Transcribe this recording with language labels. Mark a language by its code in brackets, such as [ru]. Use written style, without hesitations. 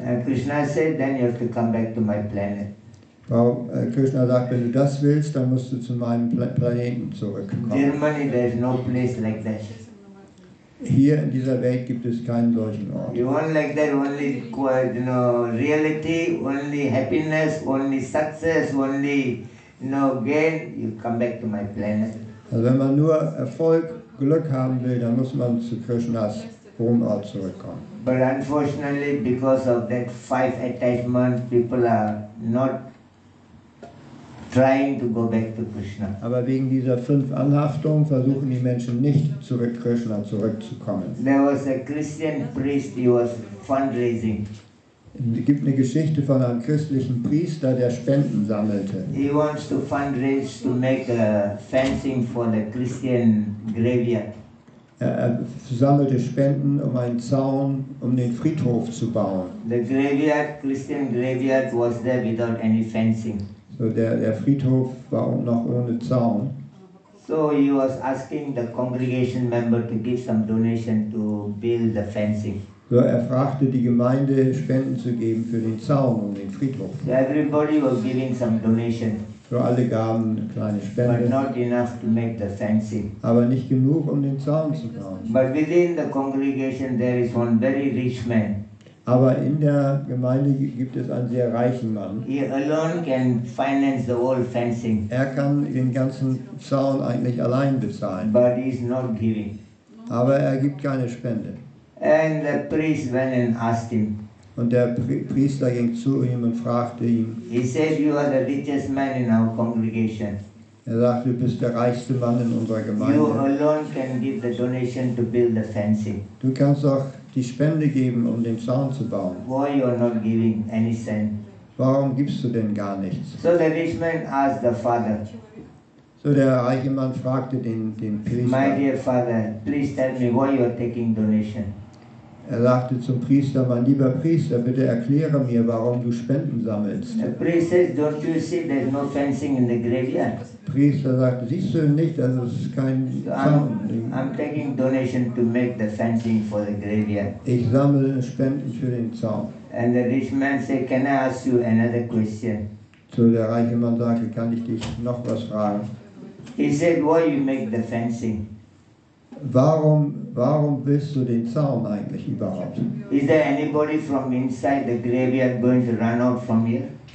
[en] And Krishna said, then you have to come back to my planet. [de] Krishna sagt, wenn du das willst, dann musst du zu meinem Planeten zurückkommen. [en] Germany, there is no place like that. [de] Hier in dieser Welt gibt es keinen solchen Ort. [en] You want like that only, you know, reality, only happiness, only success, only, you know, gain, you come back to my planet. [de] Also wenn man nur Erfolg, Glück haben will, dann muss man zu Krishnas Wohnort zurückkommen. [en] But unfortunately, because of that five attachments, people are not trying to go back to Krishna. [de] Aber wegen dieser fünf Anhaftungen versuchen die Menschen nicht zurück Krishna zurückzukommen. [en] There was a Christian priest, he was fundraising. [de] Es gibt eine Geschichte von einem christlichen Priester, der Spenden sammelte. [en] He wants to fundraise to make a fencing for the Christian graveyard. [de] Er sammelte Spenden, um einen Zaun, um den Friedhof zu bauen. [en] The graveyard, Christian graveyard was there without any fencing. [de] So der Friedhof war noch ohne Zaun. [en] So he was asking the congregation member to give some donation to build the fencing. [de] So er fragte die Gemeinde, Spenden zu geben für den Zaun und den Friedhof. [en] So everybody was giving some donation. [de] So alle gaben eine kleine Spende. [en] But not enough to make the fencing. [de] Aber nicht genug, um den Zaun zu bauen. [en] But within the congregation there is one very rich man. [de] Aber in der Gemeinde gibt es einen sehr reichen Mann. [en] He alone can finance the whole fencing. [de] Er kann den ganzen Zaun eigentlich allein bezahlen. [en] But he is not giving. [de] Aber er gibt keine Spende. [en] And the priest went and asked him. [de] Und der Priester ging zu ihm und fragte ihn. [en] He said, you are the richest man in our congregation. [de] Er sagte, du bist der reichste Mann in unserer Gemeinde. [en] You alone can give the donation to build the fencing. [de] Du kannst auch die Spende geben, um den Zaun zu bauen. [en] Why you are not giving any cent? [de] Warum gibst du denn gar nichts? [en] So the rich man asked the father. [de] So der reiche Mann fragte den Priester. [en] My dear father, please tell me why you are taking donation. [de] Er sagte zum Priester, mein lieber Priester, bitte erkläre mir, warum du Spenden sammelst. [en] The priest says, don't you see there's no fencing in the graveyard? [de] Priester sagte, siehst du nicht, dass es kein [en] I'm taking donation to make the fencing for the graveyard. [de] Ich sammle Spenden für den Zaun. [en] And the rich man said, can I ask you another question? [de] So der reiche Mann sagte, kann ich dich noch was fragen? [en] He said, why you make the fencing? [de] Warum willst du den Zaun eigentlich überhaupt? [en] Is there anybody from inside the graveyard going to run out from here?